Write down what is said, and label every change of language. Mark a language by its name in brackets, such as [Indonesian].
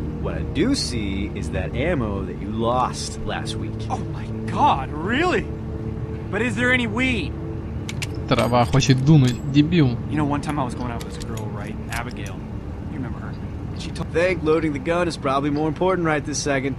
[English] What I do see is that ammo that you lost last week. Oh my god, really? But is there any weed? [Russian] Трава хочет дунуть, дебил. [English] You know, one time I was going out with this girl, right? Abigail. You remember her? She told me... Think loading the gun is probably more important right this second.